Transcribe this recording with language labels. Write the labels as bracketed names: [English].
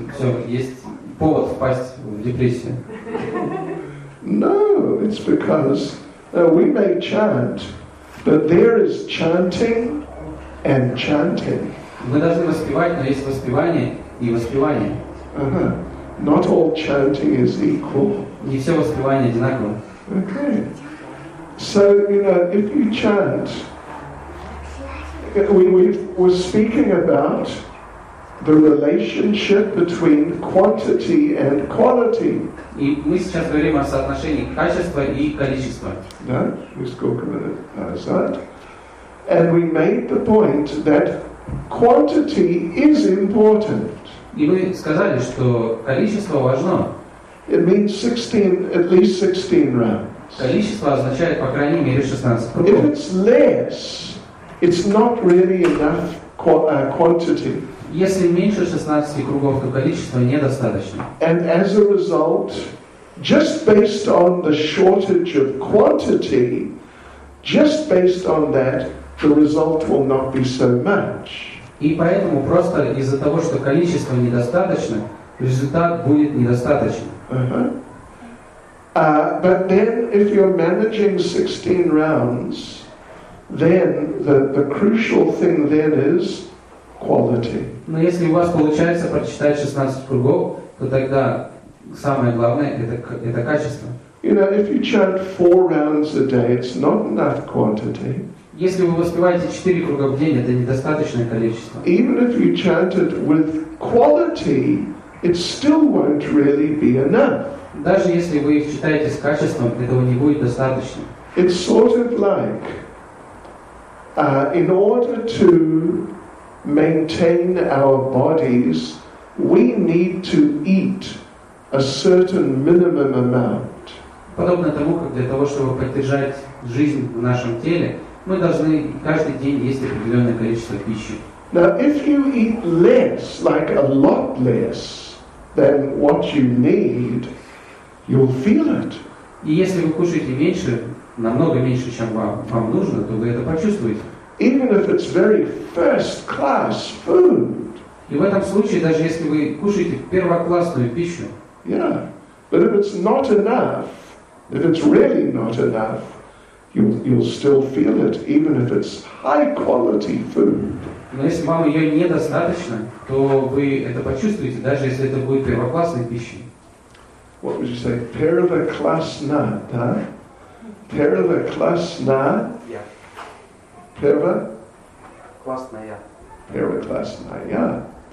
[English] So, [Russian] есть повод впасть в депрессию? [English] No, it's because we may chant, but there is chanting and chanting. [Russian] Мы должны воспевать, но есть воспевание и воспевание. [English] Uh-huh. Not all chanting is equal. [Russian] Не все воспевание одинаково. [English] Okay. So, you know, if you chant, we're speaking about the relationship between quantity and quality. [Russian] И мы сейчас говорим о соотношении качества и количества. Да, мы сколько минут назад. [English] And we made the point that quantity is important. [Russian] И мы сказали, что количество важно. [English] It means 16, at least 16 rounds. [Russian] Количество означает по крайней мере 16 кругов. [English] If it's less, it's not really enough quantity. [Russian] Если меньше 16 кругов, то количество недостаточно. [English] And as a result, just based on the shortage of quantity, just based on that, the result will not be so much. [Russian] И поэтому просто из-за того, что количество недостаточно, результат будет недостаточным. Uh-huh. [English] But then, if you're managing 16 rounds, then the crucial thing then is quality. [Russian] Но если у вас получается прочитать 16 кругов, то тогда самое главное это качество. [English] You know, if you chant 4 rounds a day, it's not enough quantity. [Russian] Если вы воспеваете 4 круга в день, это недостаточное количество. [English] Even if you chant it with quality, it still won't really be enough. [Russian] Даже если вы читаете с качеством, этого не будет достаточно. [English] It's sort of like, in order to maintain our bodies, we need to eat a certain minimum amount. [Russian] Подобно тому, как для того, чтобы поддержать жизнь в нашем теле, мы должны каждый день есть определенное количество пищи. [English] Now, if you eat less, like a lot less, than what you need, you'll feel it. [Russian] И если вы кушаете меньше, намного меньше, чем вам нужно, то вы это почувствуете. [English] even if it's very first class food. [Russian] И в этом случае, даже если вы кушаете первоклассную пищу. [English] Yeah, but if it's not enough, if it's really not enough, you'll still feel it, even if it's high quality food. [Russian] Но если вам ее недостаточно, то вы это почувствуете, даже если это будет первоклассной пищей. [English] What would you say? [Russian] Первоклассна, да? Первоклассна? Первоклассная.